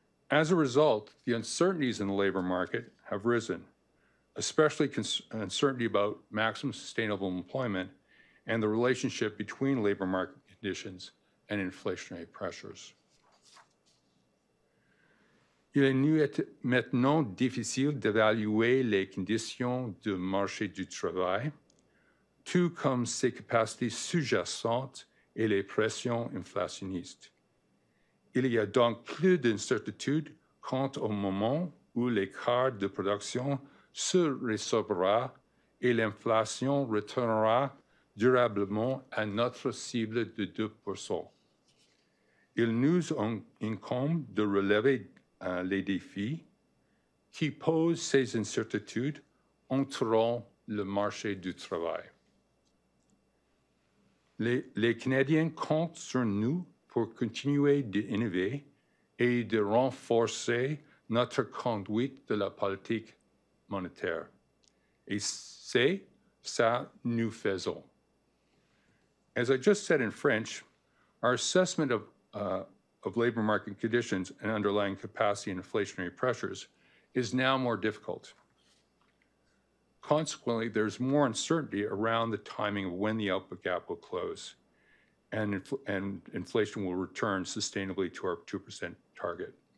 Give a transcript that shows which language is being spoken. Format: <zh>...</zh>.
<en>As a result, the uncertainties in the labor market have risen, especially uncertainty about maximum sustainable employment and the relationship between labor market conditions and inflationary pressures.</en> <fr>Il est nous maintenant difficile d'évaluer les conditions du marché du travail, tout comme ses capacités sous-jacentes et les pressions inflationnistes. Il y a donc plus d'incertitude quant au moment où l'écart de production se résorbera et l'inflation retournera durablement à notre cible de 2%. Il nous incombe de relever les défis qui posent ces incertitudes entourant le marché du travail. Les Canadiens comptent sur nous pour continuer d'innover et de renforcer notre conduite de la politique monétaire. Et c'est ça nous faisons.</fr> <en>As I just said in French, our assessment of labor market conditions and underlying capacity and inflationary pressures is now more difficult. Consequently, there's more uncertainty around the timing of when the output gap will close and inflation will return sustainably to our 2% target.</en>